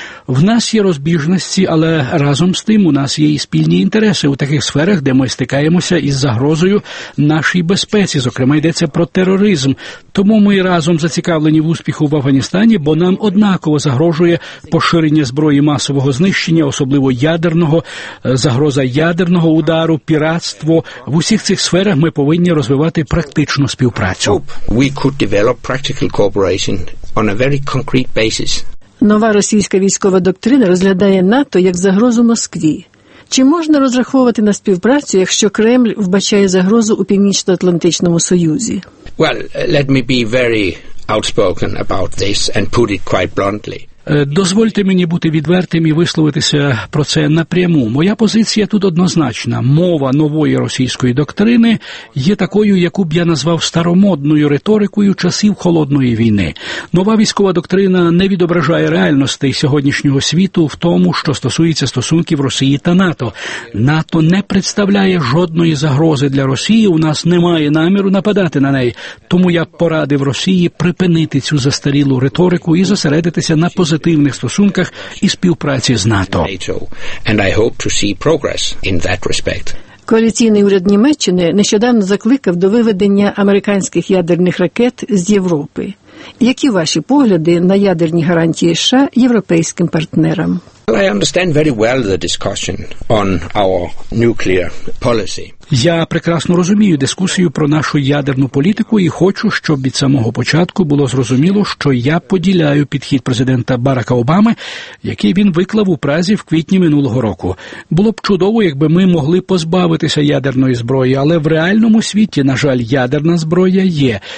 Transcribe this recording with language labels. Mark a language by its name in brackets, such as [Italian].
[Ukrainian] В нас є розбіжності, але разом з тим у нас є і спільні інтереси у таких сферах, де ми стикаємося із загрозою нашій безпеці, зокрема йдеться про тероризм. Тому ми разом зацікавлені в успіху в Афганістані, бо нам однаково загрожує поширення зброї масового знищення, особливо ядерного, загроза ядерного удару, піратство. В усіх цих сферах ми повинні розвивати практичну співпрацю. [English] We could develop practical cooperation on a very concrete basis. [Ukrainian] Нова російська військова доктрина розглядає НАТО як загрозу Москві. Чи можна розраховувати на співпрацю, якщо Кремль вбачає загрозу у Північно-Атлантичному Союзі? [English] Well, let me be very outspoken about this and put it quite bluntly. [Ukrainian] Дозвольте мені бути відвертим і висловитися про це напряму. Моя позиція тут однозначна. Мова нової російської доктрини є такою, яку б я назвав старомодною риторикою часів холодної війни. Нова військова доктрина не відображає реальностей сьогоднішнього світу в тому, що стосується стосунків Росії та НАТО. НАТО не представляє жодної загрози для Росії, у нас немає наміру нападати на неї. Тому я порадив Росії припинити цю застарілу риторику і зосередитися на позитивних стосунках і співпраці з НАТО. [English] And I hope to see progress in that respect. [Ukrainian] Коаліційний уряд Німеччини нещодавно закликав до виведення американських ядерних ракет з Європи. Які ваші погляди на ядерні гарантії США європейським партнерам? [English] I understand very well the discussion on our nuclear policy. [Ukrainian] Я прекрасно розумію дискусію про нашу ядерну політику і хочу, щоб від самого початку було зрозуміло, що я поділяю підхід президента Барака Обами, який він виклав у Празі в квітні минулого року. Було б чудово, якби ми могли позбавитися ядерної зброї, але в реальному світі, на жаль, ядерна зброя є.